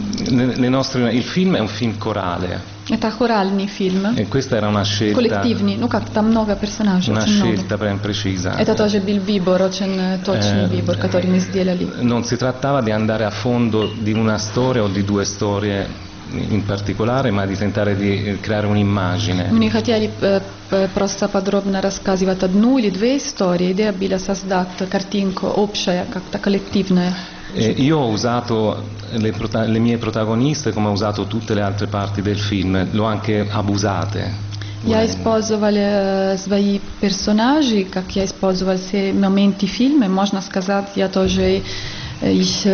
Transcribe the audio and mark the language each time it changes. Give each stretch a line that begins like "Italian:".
Italian: Le nostre, il film è un film corale.
Russian: Это хоральный фильм.
Italian: E questa era una scelta.
Russian: Коллективный. Ну как, там много персонажей.
Italian: Una scelta ben precisa.
Russian: Это тоже Билл Вибор, очень точный Вибор, который мы сделали.
Italian: Non si trattava di andare a fondo di una storia o di due storie in particolare, ma di tentare di creare un'immagine.
Russian: Мы не хотели просто подробно рассказывать одну или две истории. Идея была создать картинку общая, как-то коллективная.
Italian: Io ho usato le mie protagoniste come ho usato tutte le altre parti del film, l'ho anche abusate.
Russian: Я использовала свои персонажи, как я использовала все моменты фильма, можно сказать, я тоже их